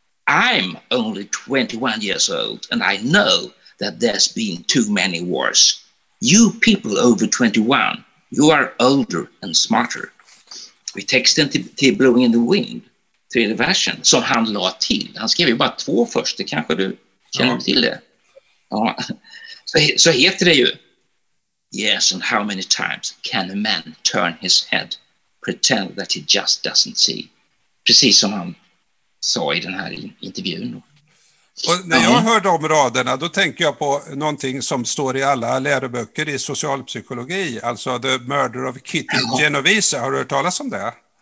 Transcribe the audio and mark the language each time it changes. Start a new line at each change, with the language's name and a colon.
English: I'm only 21 years old and I know that there's been too many wars. You people over 21, you are older and smarter.
Swedish: Vi texten till Blowing in the Wind, tredje versen, som han la till. Han skrev ju bara två först, det kanske du känner till det. Ja. Så heter det ju:
English: Yes, and how many times can a man turn his head, pretend that he just doesn't see?
Swedish: Precis som han sa i den här intervjun. Och när jag hör de raderna, då tänker jag på någonting som står i alla läroböcker i socialpsykologi, alltså The Murder of Kitty Genovese. Har du hört talas om det?